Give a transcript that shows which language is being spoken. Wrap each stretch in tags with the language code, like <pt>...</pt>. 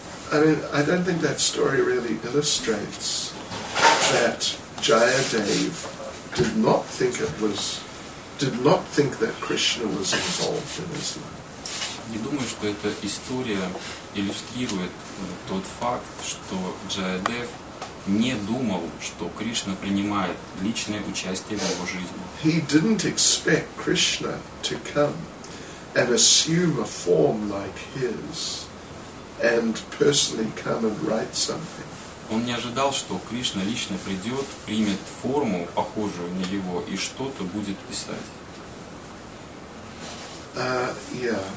<en>I mean, I don't think that story really illustrates that Jayadev did not think that Krishna was involved in his life.</en> <ru>Не думаю, что эта история иллюстрирует тот факт, что Джаядев не думал, что Кришна принимает личное участие в его жизни.</ru> <en>He didn't expect Krishna to come and assume a form like his and personally come and write something.</en> <ru>Он не ожидал, что Кришна лично придет, примет форму, похожую на его, и что-то будет писать.</ru>